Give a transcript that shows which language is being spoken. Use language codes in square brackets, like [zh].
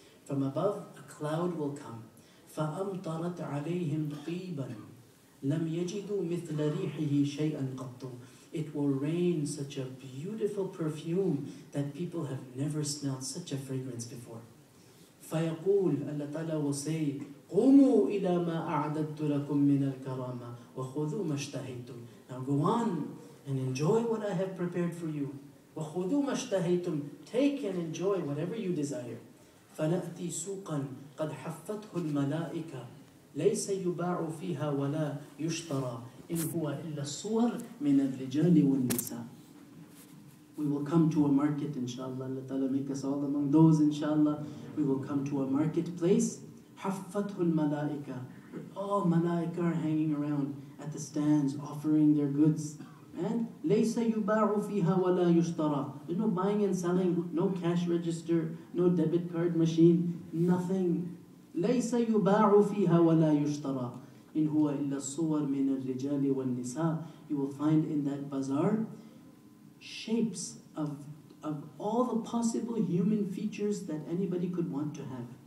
[en] From above, a cloud will come. [ar] فَأَمْطَرَتْ عَلَيْهِمْ طِيبًا لَمْ يَجِدُوا مِثْلَ رِيحِهِ شَيْئًا قَطُّ. [en] It will rain such a beautiful perfume that people have never smelled such a fragrance before. [ar] فَيَقُولْ. [en] Allah Ta'ala will say, [ar] قُمُوا إِلَى مَا أَعْدَدْتُ لَكُمْ مِنَ الْكَرَامَةِ وَخُذُوا مَا اشْتَهَيْتُمْ. [en] Now go on and enjoy what I have prepared for you. [ar] وَخُذُوا مَا اشْتَهَيْتُمْ. [en] Take and enjoy whatever you desire. [ar] فَنَأْتِي سُوقًا قَدْ حَفَّتْهُ الْمَلَائِكَةِ لَيْسَ يُبَاعُ فِيهَا وَلَا يُشْتَرَى إِنْ هُوَ إِلَّا الصُّوَرْ مِنَ الرِّجَالِ وَالنِّسَاءِ. [en] We will come to a market, inshallah. Allah Ta'ala make us all among those, inshallah. We will come to a marketplace. [ar] حَفَّتْهُ الْمَلَائِكَ. [en] All malaika are hanging around at the stands offering their goods. [ar] And لَيْسَ يُبَاعُ فِيهَا وَلَا يُشْتَرَى. [en] There's no buying and selling, no cash register, no debit card machine, nothing. [ar] لَيْسَ يُبَاعُ فِيهَا وَلَا يُشْتَرَى. إِنْ هُوَ إِلَّا الصُّوَرْ مِنَ الرِّجَالِ وَالنِّسَاءِ. [en] You will find in that bazaar shapes of all the possible human features that anybody could want to have.